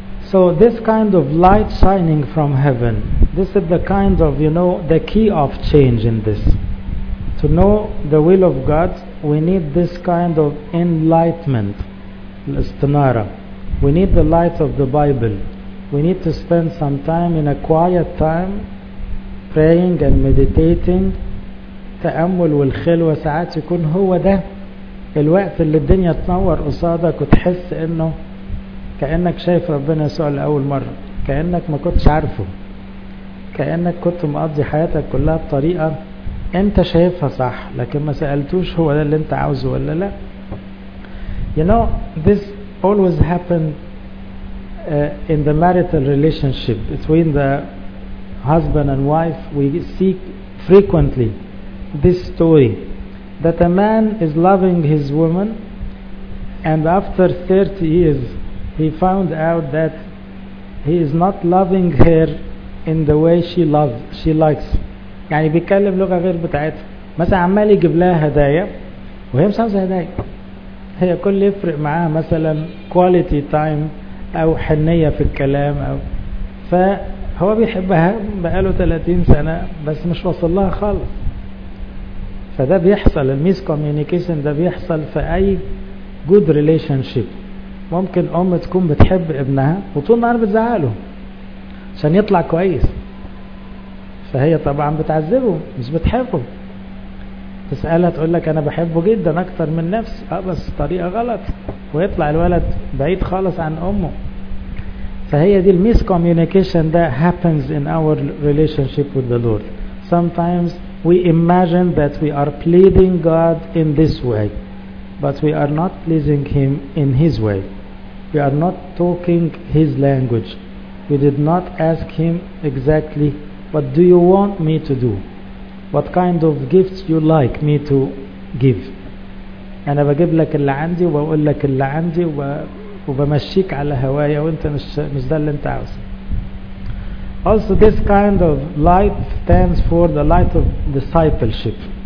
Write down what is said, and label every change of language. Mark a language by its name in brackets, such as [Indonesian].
[English] So this kind of light shining from heaven, this is the kind of, you know, the key of change in this. To know the will of God, we need this kind of enlightenment, istinara. We need the light of the Bible. We need to spend some time in a quiet time praying and meditating. [Arabic] تأمل والخلوة ساعات يكون هو ده الوقت اللي الدنيا تنور قصادك وتحس انه كأنك شايف ربنا يسوع لأول مرة، كأنك ما كنتش عارفه، كأنك كنت مقضي حياتك كلها بطريقة انت شايفها صح، لكن ما سألتوش هو ده اللي انت عاوزه ولا لا. [English] You know, this always happened in the marital relationship between the husband and wife. We see frequently this story that a man is loving his woman, and after 30 years he found out that he is not loving her in the way she loves, she likes. [Arabic] يعني بيتكلم لغة غير بتاعتها. مثلا عمال يجيب لها هدايا وهي مش عاوزة هدايا. هي كل يفرق معاها مثلا quality time أو حنية في الكلام أو. فهو بيحبها بقاله 30 سنة بس مش وصل لها خالص. فده بيحصل, [English] الميس كوميونيكيشن [Arabic] ده بيحصل في أي [English] good relationship. [Arabic] ممكن أم تكون بتحب ابنها وطول النهار بتزعله عشان يطلع كويس, فهي طبعا بتعذبه مش بتحبه. تسألها تقول لك أنا بحبه جدا أكتر من نفسي, بس طريقة غلط, ويطلع الولد بعيد خالص عن أمه. فهي دي [English] الميس كوميونيكيشن [Arabic] ده [English] happens in our relationship with the Lord. Sometimes we imagine that we are pleading God in this way, but we are not pleasing Him in His way. We are not talking His language. We did not ask Him exactly, what do you want me to do? What kind of gifts you like me to give? [Arabic] أنا بجيب لك اللي عندي وبقول لك اللي عندي وبمشيك على هوايا وانت مش ده اللي انت عاوزه. [English] Also this kind of light stands for the light of discipleship.